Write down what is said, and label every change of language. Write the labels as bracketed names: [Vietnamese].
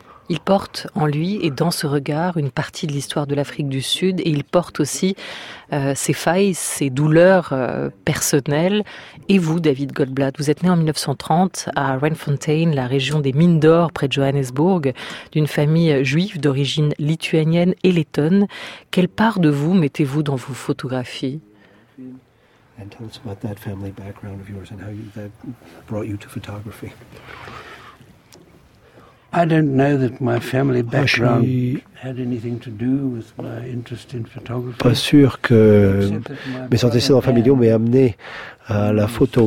[French] Il porte en lui et dans ce regard une partie de l'histoire de l'Afrique du Sud et il porte aussi ses failles, ses douleurs personnelles. Et vous, David Goldblatt, vous êtes né en 1930 à Randfontein, la région des mines d'or près de Johannesburg, d'une famille juive d'origine lituanienne et lettonne. Quelle part de vous mettez-vous dans vos photographies ? [English] And tell us about that family background of yours and how that brought you to photography. I don't know that my family background had anything to do with my interest in photography. [French] Pas sûr que mes antécédents familiaux m'aient amené à la photo.